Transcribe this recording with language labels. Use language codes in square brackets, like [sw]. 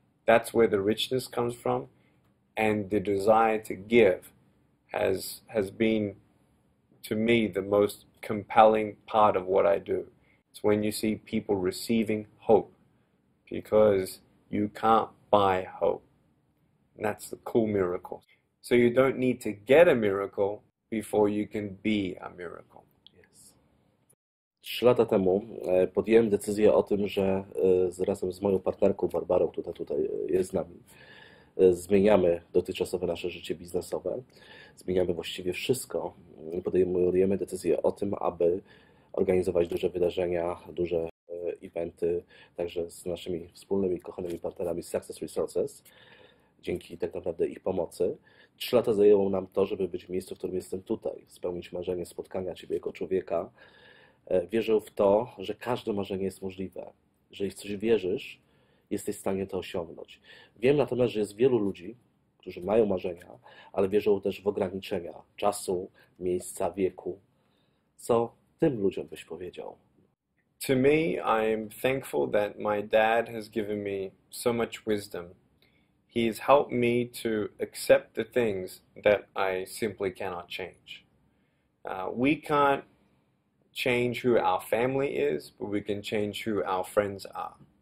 [en] That's where the richness comes from, and the desire to give has been, to me, the most compelling part of what I do. It's when you see people receiving hope, because you can't buy hope. And that's the cool miracle. So you don't need to get a miracle before you can be a miracle. [pl] 3 lata temu podjąłem decyzję o tym, że razem z moją partnerką Barbarą, która tutaj jest z nami, zmieniamy dotychczasowe nasze życie biznesowe, zmieniamy właściwie wszystko, podejmujemy decyzję o tym, aby organizować duże wydarzenia, duże eventy, także z naszymi wspólnymi, kochanymi partnerami Success Resources, dzięki tak naprawdę ich pomocy. 3 lata zajęło nam to, żeby być w miejscu, w którym jestem tutaj, spełnić marzenie spotkania Ciebie jako człowieka. Wierzę w to, że każde marzenie jest możliwe, że jeśli coś wierzysz, jesteś w stanie to osiągnąć. Wiem natomiast, że jest wielu ludzi, którzy mają marzenia, ale wierzą też w ograniczenia czasu, miejsca, wieku. Co tym ludziom byś powiedział? [en] To me, I am thankful that my dad has given me so much wisdom. He has helped me to accept the things that I simply cannot change. We can't change who our family is, but we can change who our friends are.